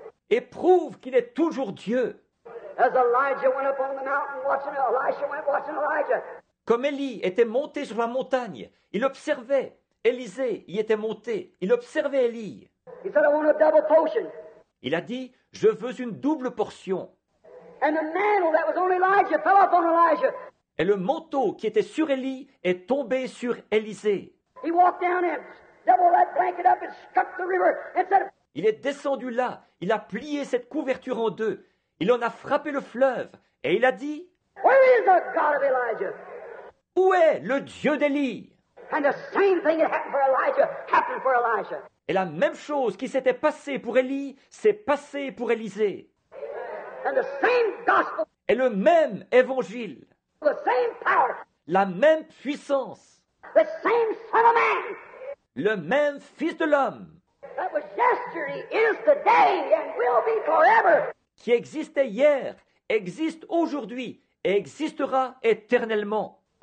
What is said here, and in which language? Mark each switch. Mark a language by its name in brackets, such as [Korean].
[French] Et prouve qu'il est toujours Dieu. [English] As Elijah went up on the mountain watching Elisha went watching Elijah. [French] Comme Élie était monté sur la montagne, il observait. Élisée y était monté, il observait Élie. [English] He said, I want a double portion. [French] Il a dit, je veux une double portion. [English] And the mantle that was on Elijah fell up on Elijah. [French] Et le manteau qui était sur Élie est tombé sur Élisée. [English] He walked down and doubled that blanket up and struck the river and said, [French] il est descendu là, il a plié cette couverture en deux, il en a frappé le fleuve et il a dit, [English] where is the God of Elijah? [French] Où est le Dieu d'Élie? [English] And the same thing that happened for Elijah happened for Elijah. [French] Et la même chose qui s'était passée pour Élie s'est passée pour Élisée. [English] And the same gospel. [French] Et le même évangile. [English] The same power. [French] La même puissance. [English] The same son of man. [French] Le même fils de l'homme. [English] That was yesterday, is today, and will be forever. [French] Qui existait hier, existe aujourd'hui et existera éternellement.